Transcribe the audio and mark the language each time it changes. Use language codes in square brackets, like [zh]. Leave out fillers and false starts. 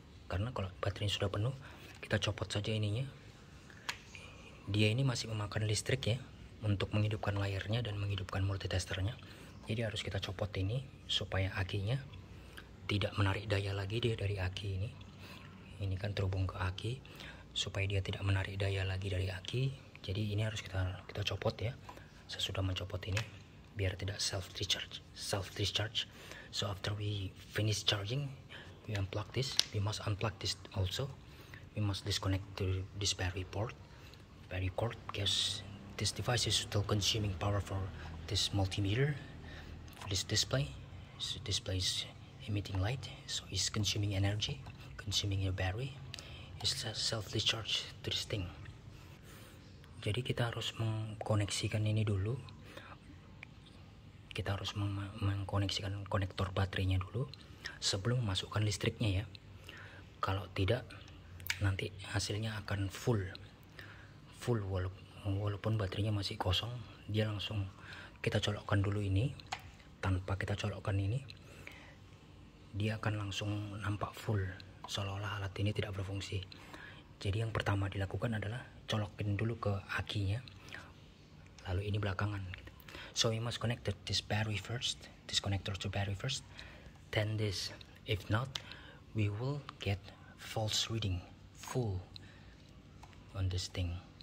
[id] Karena kalau baterai sudah penuh, kita copot saja ininya. Dia ini masih memakan listrik ya untuk menghidupkan wire-nya dan menghidupkan multitesternya. Jadi harus kita copot ini supaya akinya tidak menarik daya lagi dia dari aki ini. Ini kan terhubung ke aki, supaya dia tidak menarik daya lagi dari aki. Jadi ini harus kita copot ya. Saya sudah mencopot ini biar tidak self discharge. [en] So after we finish charging, we unplug this. We must unplug this also. We must disconnect to this battery port. Battery cord, because this device is still consuming power for this multimeter, for this display. So display is emitting light, so it's consuming energy, consuming your battery. It's a self discharge to this thing. [id] Jadi kita harus mengkoneksikan ini dulu. Kita harus mengkoneksikan konektor baterainya dulu sebelum memasukkan listriknya ya. Kalau tidak, nanti hasilnya akan full walaupun baterainya masih kosong. Dia langsung kita colokkan dulu ini, tanpa kita colokkan ini dia akan langsung nampak full, seolah-olah alat ini tidak berfungsi. Jadi yang pertama dilakukan adalah colokin dulu ke akinya, lalu ini belakangan. [en] So we must connect this battery first, this connector to battery first, then this. If not, we will get false reading, full on this thing.